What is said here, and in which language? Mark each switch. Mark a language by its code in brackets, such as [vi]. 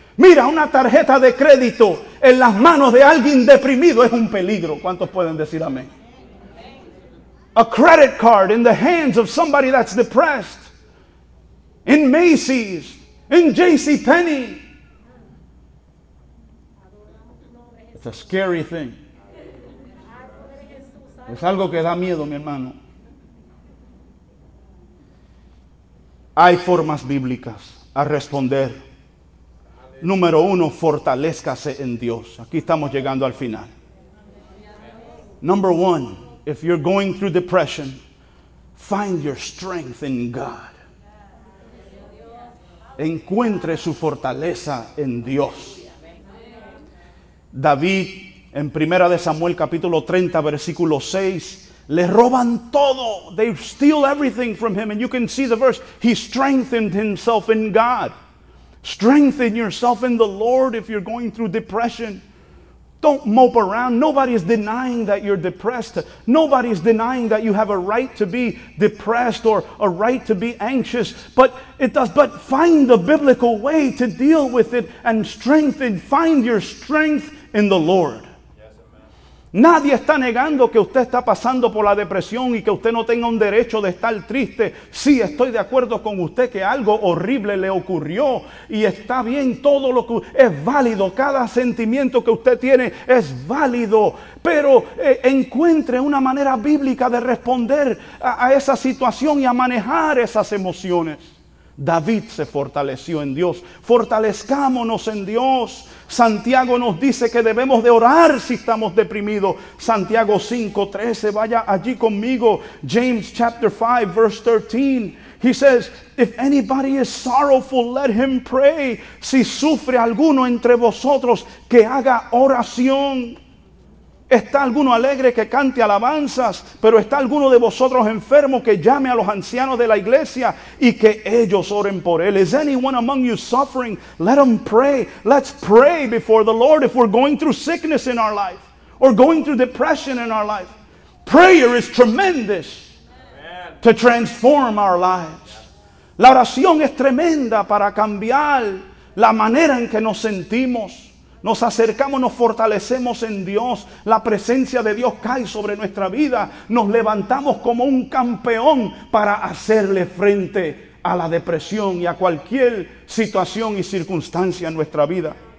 [es] Mira, una tarjeta de crédito en las manos de alguien deprimido es un peligro. ¿Cuántos pueden decir amén? [en] A credit card in the hands of somebody that's depressed. In Macy's, in JCPenney. It's a scary thing. [es] Es algo que da miedo, mi hermano. Hay formas bíblicas a responder. Número 1, fortalezcase en Dios. Aquí estamos llegando al final. [en] Number 1, if you're going through depression, find your strength in God. [es] Encuentre su fortaleza en Dios. David, en 1 Samuel capítulo 30 versículo 6, le roban todo. [en] They steal everything from him, and you can see the verse. He strengthened himself in God. Strengthen yourself in the Lord if you're going through depression. Don't mope around. Nobody is denying that you're depressed. Nobody is denying that you have a right to be depressed or a right to be anxious. But it does. But find the biblical way to deal with it and strengthen. Find your strength in the Lord. [es] Nadie está negando que usted está pasando por la depresión y que usted no tenga un derecho de estar triste. Sí, estoy de acuerdo con usted que algo horrible le ocurrió y está bien todo lo que es válido. Cada sentimiento que usted tiene es válido, pero encuentre una manera bíblica de responder a esa situación y a manejar esas emociones. David se fortaleció en Dios. Fortalezcámonos en Dios. Santiago nos dice que debemos de orar si estamos deprimidos. Santiago 5:13, vaya allí conmigo. [en] James chapter 5 verse 13. [es] He says, if anybody is sorrowful, let him pray. Si sufre alguno entre vosotros, que haga oración. ¿Está alguno alegre que cante alabanzas? ¿Pero está alguno de vosotros enfermo que llame a los ancianos de la iglesia y que ellos oren por él? [en] Is anyone among you suffering? Let them pray. Let's pray before the Lord if we're going through sickness in our life or going through depression in our life. Prayer is tremendous to transform our lives. [es] La oración es tremenda para cambiar la manera en que nos sentimos. Nos acercamos, nos fortalecemos en Dios. La presencia de Dios cae sobre nuestra vida. Nos levantamos como un campeón para hacerle frente a la depresión y a cualquier situación y circunstancia en nuestra vida.